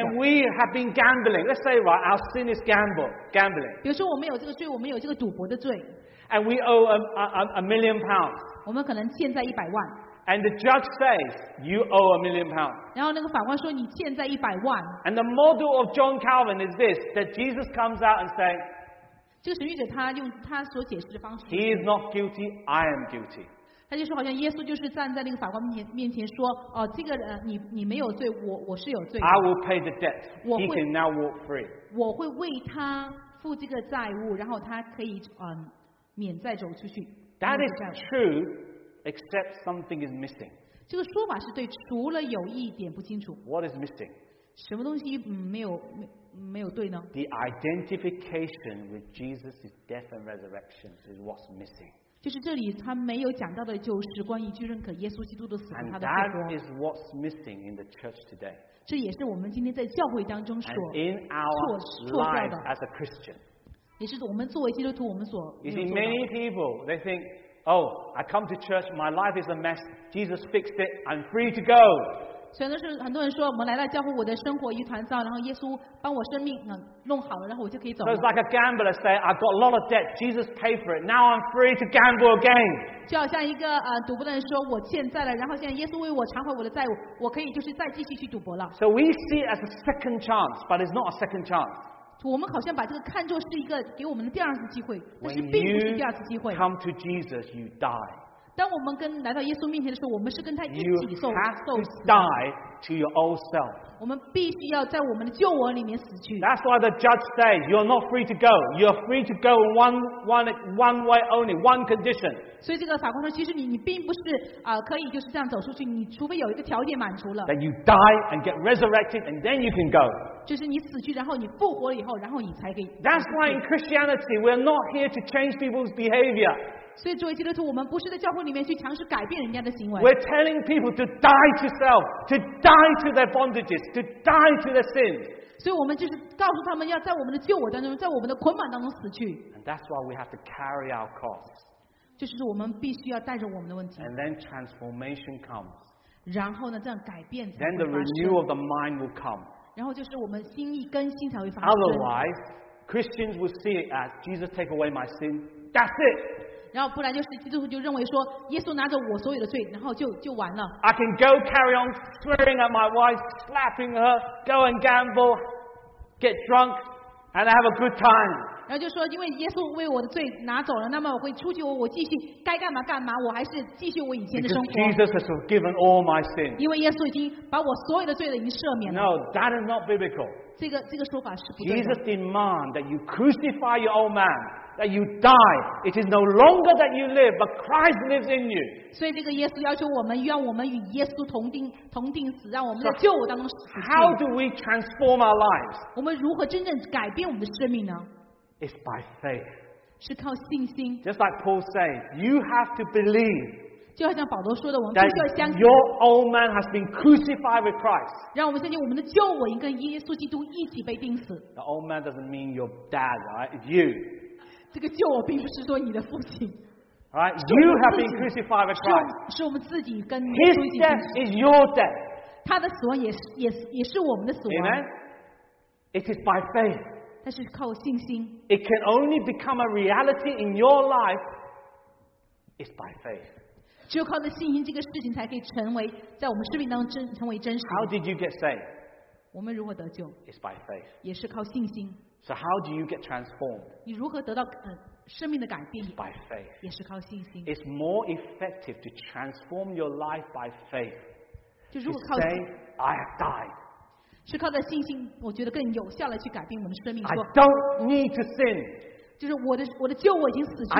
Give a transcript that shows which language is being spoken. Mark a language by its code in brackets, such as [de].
[en] And we have been gambling. Let's say right, our sin is gambling. [zh] 比如说我们有这个罪，我们有这个赌博的罪。 [en] And we owe £1,000,000. [zh] 我们可能欠债100万。 [en] And the judge says you owe £1,000,000. [zh] 然后那个法官说你欠债100万。 [en] And the model of John Calvin is this: that Jesus comes out and says, [zh] 这个神学者他用他所解释的方式。 [en] He is not guilty. I am guilty. [zh] 他就说好像耶稣就是站在那个法官面前说哦，这个人 你没有罪 我是有罪的 [en] I will pay the debt He can now walk free [zh] 我会为他付这个债务然后他可以免债走出去 [en] That is true except something is missing [zh] 这个说法是对除了有一点不清楚 [en] What is missing [zh] 什么东西没有对呢 [en] The identification with Jesus' death and resurrection is what's missing [zh] 就是这里他没有讲到的就是关于去认可耶稣基督的死和他的复活。 [en] And that is what's missing in the church today. [zh] 这也是我们今天在教会当中所错掉的。 [en] As a Christian. [zh] 也是我们作为基督徒我们所没有做到的。 [en] You see, many people, they think, oh, I come to church, my life is a mess, Jesus fixed it, I'm free to go. [zh] 所以很多人说我们来到教会我的生活一团糟然后耶稣帮我生命弄好了然后我就可以走了 [en] So it's like a gambler say I've got a lot of debt Jesus paid for it Now I'm free to gamble again [zh] 就好像一个赌博的人说我欠债了然后现在耶稣为我偿还我的债务我可以就是再继续去赌博了 [en] So we see it as a second chance But it's not a second chance [zh] 我们好像把这个看作是一个给我们的第二次机会但是并不是第二次机会 [en] When you come to Jesus you die [zh] 当我们跟来到耶稣面前的时候，我们是跟他一起受死。 [en] You have to die to your old self. [zh] 我们必须要在我们的旧我里面死去。 [en] That's why the judge says you're not free to go. You're free to go one way only, one condition. [zh] 所以这个法官说，其实你并不是可以就是这样走出去，你除非有一个条件满足了。 [en] That you die and get resurrected and then you can go. [zh] 就是你死去，然后你复活了以后，然后你才可以。 [en] That's why in Christianity we're not here to change people's behavior. [zh] 所以作为基督徒我们不是在教会里面去强势改变人家的行为 [en] We're telling people to die to self to die to their bondages to die to their sins [zh] 所以我们就是告诉他们要在我们的救我当中在我们的捆绑当中死去 [en] And that's why we have to carry our cross [zh] 就是我们必须要带着我们的问题。 [en] And then transformation comes. [zh] 然后呢，这样改变才会发 [en] Then the renewal of the mind will come. [zh] 然后就是我们心意更新才会发生。 [en] Otherwise, Christians will see it as Jesus take away my sin. That's it. [zh] 然后不然就是基督徒就认为说，耶稣拿着我所有的罪，然后就完了。 [en] I can go carry on swearing at my wife, slapping her, go and gamble, get drunk, and have a good time. [zh] 然后就说，因为耶稣为我的罪拿走了，那么我会出去，我继续该干嘛干嘛，我还是继续我以前的生活。 [en] Because Jesus has forgiven all my sins. [zh] 因为耶稣已经把我所有的罪已经赦免了。 [en] No, that is not biblical. [zh] 这个说法是不对的。 [en] Jesus demands that you crucify your old man, that you die. It is no longer that you live, but Christ lives in you. [zh] 所以这个耶稣要求我们，让我们与耶稣同钉死，让我们在旧我当中死去。 [en] How do we transform our lives? [zh] 我们如何真正改变我们的生命呢？ [en] It's by faith. [zh] 是靠信心。 [en] Just like Paul says, you have to believe. [zh] 就好像保罗说的，我们必须要相信。 [en] Your old man has been crucified with Christ. [zh] 让我们相信我们的旧我已经跟耶稣基督一起被钉死。 [en] The old man doesn't mean your dad, right? It's you. [zh] 这个旧我并不是说你的父亲。 [en] Right? You have been crucified with Christ. [zh] 是我们自己跟耶稣基督。 [en] His death is your death. [zh] 他的死亡也是我们的死亡。 [en] Amen. It is by faith. [zh] 但是靠信心。 [en] It can only become a reality in your life. It's by faith. [zh] 只有靠着信心，这个事情才可以成为在我们生命当中成为真实。 [en] How did you get saved? [zh] 我们如何得救 [en] ？It's by faith. [zh] 也是靠信心。 [en] So how do you get transformed? [zh] 你如何得到生命的改变 [en] ？It's by faith. [zh] 也是靠信心。 [en] It's more effective to transform your life by faith. [zh] 就如果靠 [en] say, I have died. [zh] 是靠着信心，我觉得更有效的去改变我们的生命。 [en] I don't need to sin. [zh] 就是我的旧我已经死去了，